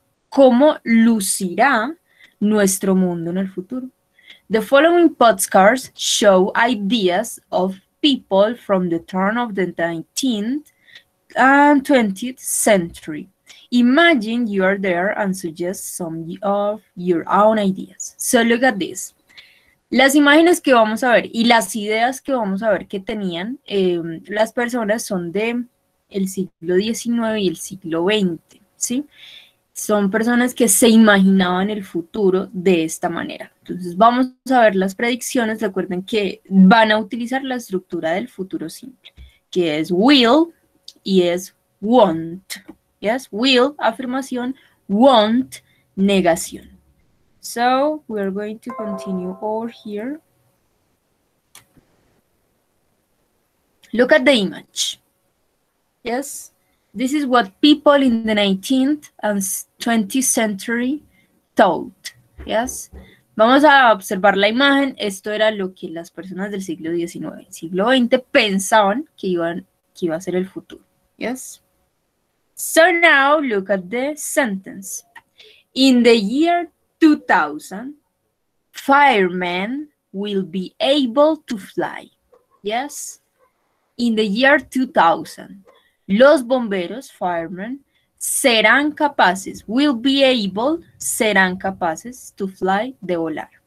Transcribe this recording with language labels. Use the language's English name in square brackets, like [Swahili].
[Spanish] ¿Cómo lucirá nuestro mundo en el futuro? [English] The following postcards show ideas of people from the turn of the 19th and 20th century. Imagine you are there and suggest some of your own ideas. So look at this. [Spanish] Las imágenes que vamos a ver y las ideas que vamos a ver que tenían las personas son de el siglo XIX y el siglo XX, ¿sí? Son personas que se imaginaban el futuro de esta manera. Entonces, vamos a ver las predicciones. Recuerden que van a utilizar la estructura del futuro simple, que es will y es won't. Yes, will, afirmación, won't, negación. [English] So, we are going to continue over here. Look at the image. Yes. This is what people in the 19th and 20th century thought. Yes. [Spanish] Vamos a observar la imagen. Esto era lo que las personas del siglo XIX, siglo XX pensaban que iba a ser el futuro. [English] Yes. So now look at the sentence. In the year 2000, firemen will be able to fly. Yes. In the year 2000. [Spanish] Los bomberos, firemen, serán capaces, [English] will be able, [Spanish] serán capaces [English] to fly, [Spanish] de volar.